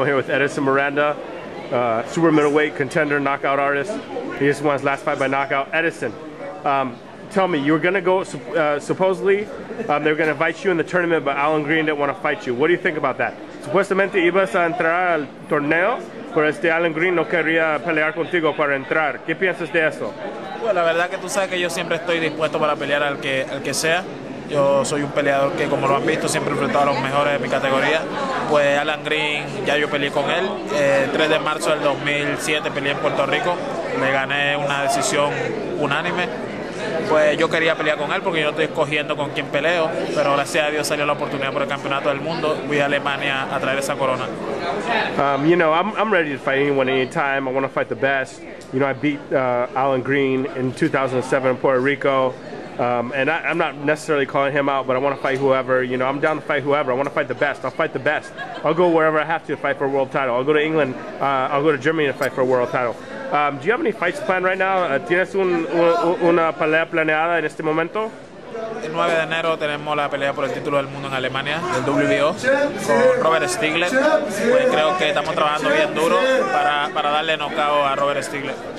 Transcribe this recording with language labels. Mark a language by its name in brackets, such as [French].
[English] I'm here with Edison Miranda, super middleweight contender, knockout artist. He just won his last fight by knockout. Edison, tell me, you were going to go, supposedly, they were going to invite you in the tournament, but Alan Green didn't want to fight you. What do you think about that? [Spanish] Supuestamente ibas a entrar al torneo, pero este Alan Green no quería pelear contigo para entrar. ¿Qué piensas de eso? Bueno, la verdad que tú sabes que yo siempre estoy dispuesto para pelear al que sea. Yo soy un peleador que, como lo han visto, siempre he enfrentado a los mejores de mi categoría. Pues Alan Green, ya yo peleé con él. El 3 de marzo del 2007 peleé en Puerto Rico. Le gané una decisión unánime. Pues yo quería pelear con él porque yo estoy escogiendo con quién peleo. Pero gracias a Dios salió la oportunidad por el campeonato del mundo. Fui a Alemania a traer esa corona. [English] You know, I'm ready to fight anyone anytime. I want to fight the best. You know, I beat Alan Green in 2007 in Puerto Rico. And I'm not necessarily calling him out, but I want to fight whoever. You know, I'm down to fight whoever. I want to fight the best. I'll fight the best. I'll go wherever I have to fight for a world title. I'll go to England. I'll go to Germany to fight for a world title. Do you have any fights planned right now? [Spanish] ¿Tienes una pelea planeada en este momento? El 9 de enero tenemos la pelea por el título del mundo en Alemania, del WBO, con Robert Stigler. Pues creo que estamos trabajando bien duro para darle knockout a Robert Stigler.